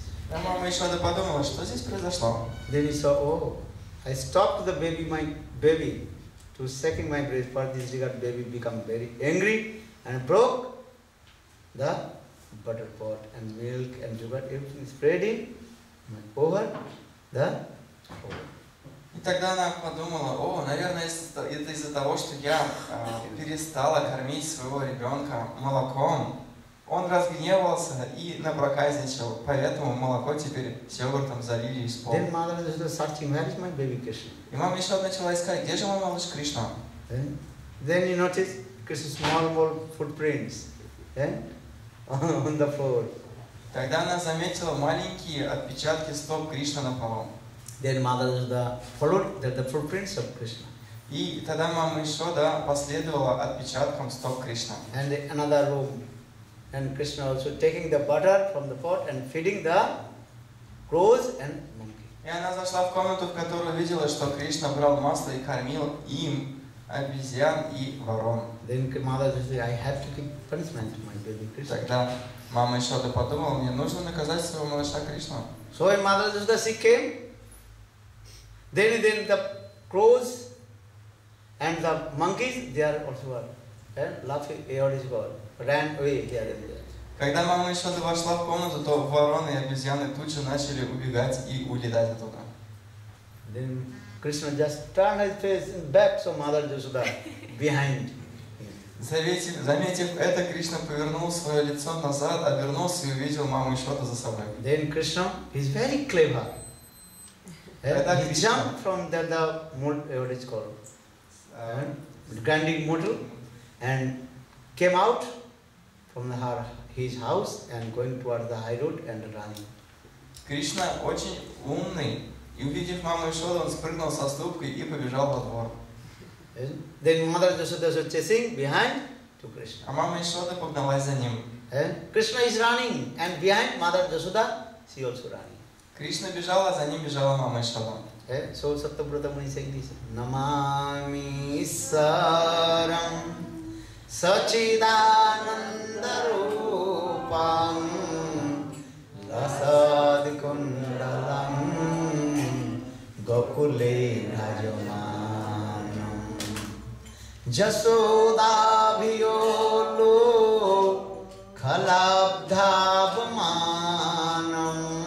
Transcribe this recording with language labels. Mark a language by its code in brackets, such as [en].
[ru] Мама Ишота подумала, что здесь произошло. [en] Then he saw, oh, I stopped the baby, my baby, to second my breath, for this yogurt baby become very angry and broke the butter pot and milk and yogurt everything spreading over the floor. [ru] И тогда она подумала, о, наверное, это из-за того, что я перестала кормить своего ребенка молоком. Он разгневался и напроказничал, поэтому молоко теперь с йогуртом залили из пола. [en] Then mother is searching, where is my baby Krishna? [ru] И мама еще начала искать, где же мой малыш Кришна? [en] Then you notice Krishna's small footprints, on the floor. [ru] Тогда она заметила маленькие отпечатки стоп Кришны на полу. [en] Then mother is followed the footprints of Krishna. [ru] И тогда мама еще последовала отпечаткам стоп Кришны. [en] And another room. And Krishna also taking the butter from the pot and feeding the crows and monkey. [ru] И она зашла в комнату, в которую видела, что Кришна брал масло и кормил им обезьян и ворон. [en] Then mother said, "I have to give punishment to my baby Krishna." [ru] Тогда мама еще подумала, мне нужно наказать своего малыша Кришну. [en] So when mother said, "She came," then the crows and the monkeys they are also laughing. They are also ran away here and there. [ru] Когда мама еще вошла в комнату, то вороны и обезьяны тут же начали убегать и улетать оттуда. [en] Then Krishna just turned his face and back, so Mother Yashoda behind. [ru] Заметив это, Кришна повернул свое лицо назад, обернулся и увидел маму Ишоду за собой. [en] Then Krishna, he's very clever. He jumped from the mud, what is called, grinding mudal, and came out from his house and going towards the high road and running. [ru] Krishna очень умный, и увидев маму Ишоду, он спрыгнул со ступки и побежал во двор. [en] Then Mother Yashoda was chasing behind to Krishna. [ru] А мама Ишода погналась за ним. [en] Krishna is running and behind Mother Yashoda she also running. [ru] Кришна бежала, за ним бежала мама Ишода. [en] So Саттабрата Муни saying this. [sa] Намами Сарам Сачидананда Рупам Ласад Кундалам Гокуле Раджаманам Jasoda Bhiyolo Khalabdhavamanam